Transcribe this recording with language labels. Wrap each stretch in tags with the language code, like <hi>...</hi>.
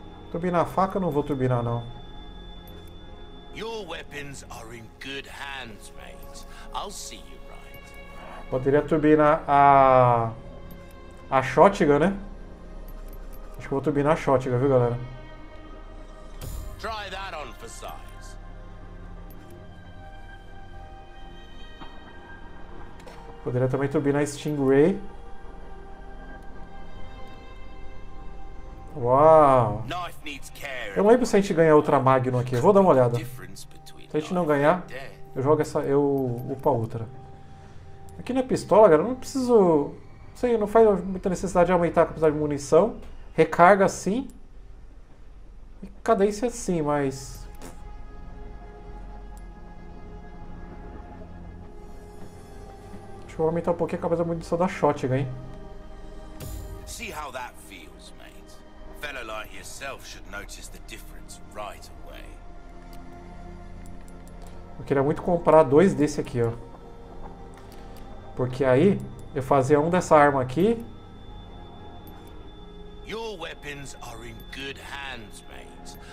<pt>Turbinar a faca, não vou turbinar, não.</pt> <en>Your weapons are in good hands, mate. I'll see you.</en> <pt>Poderia turbinar a shotgun, né? Acho que eu vou turbinar a shotgun, viu, galera?</pt> <en>Try that on for size.</en> <pt>Poderia também turbinar a Stingray. Uau! Eu não lembro se a gente ganha outra Magnum aqui. Eu vou dar uma olhada. Se a gente não ganhar, eu jogo essa... eu upo a outra. Aqui na pistola, galera, não preciso... não sei, não faz muita necessidade de aumentar a capacidade de munição. Recarga sim. E cadência sim, mas... deixa eu aumentar um pouquinho a capacidade de munição da shotgun, hein?</pt> <en>See how that feels, mate. Fellow like yourself should notice the difference right away.</en> <pt>Eu queria muito comprar dois desse aqui, ó. Porque aí eu fazia um dessa arma aqui.</pt> <en>Your weapons are in good hands, mate.</en>